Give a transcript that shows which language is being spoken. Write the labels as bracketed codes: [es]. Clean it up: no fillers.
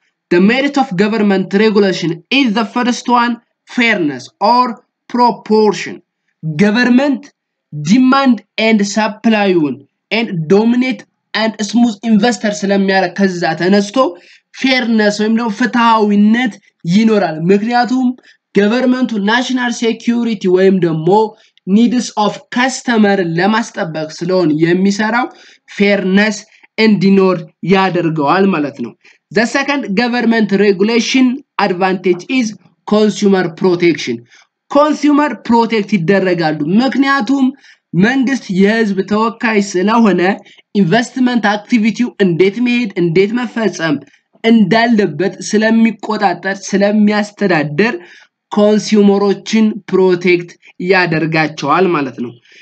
[en] The merit of government regulation is the first one, fairness or proportion. Government demand and supply and dominate and smooth investors [am] ለሚያረ ከዛ ተነስቶ [en] fairness [am] ወይም ደግሞ ፍትሃዊነት ይኖራል. ምክንያቱም government [en] national security [am] ወይም ደግሞ [en] needs of customer [am] ለማስጠበቅ ስለሆነ የሚሰራው fairness እንዲኖር ያደርገዋል ማለት ነው. [en] The second government regulation advantage is consumer protection. Consumer protected [am] ይደረጋሉ. ምክንያቱም መንግስት የህዝብ ተወካይ ስለሆነ investment activity እንዴት መሄድ እንዴት መፈጸም እንዳለበት ስለሚቆጣጠር ስለሚያስተዳድር ኮንሱመሮችን ፕሮቴክት ያደርጋቸዋል ማለት ነው.